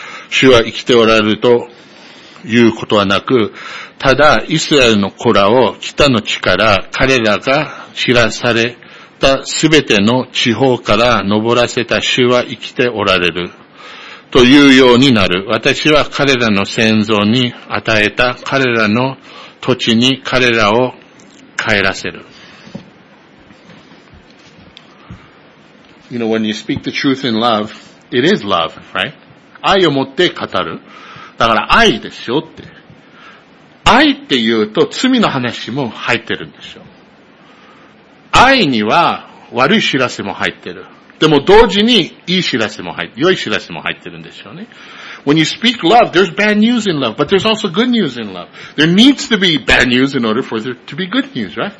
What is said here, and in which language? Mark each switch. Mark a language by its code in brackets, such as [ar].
[ja] 主は生きておられるということはなく、ただイスラエルの子らを北の地から彼らが知らされ、すべての地方から登らせた主は生きておられるというようになる。私は彼らの先祖に与えた彼らの土地に彼らを帰らせる。 [en] You know, when you speak the truth in love, it is love, right? [ja] 愛を持って語る。だから愛ですよって。愛っていうと罪の話も入ってるんですよ。愛には悪い知らせも入ってる。でも同時に良い知らせも入って、良い知らせも入ってるんですよね。 [en] When you speak love, there's bad news in love, but there's also good news in love. There needs to be bad news in order for there to be good news, right?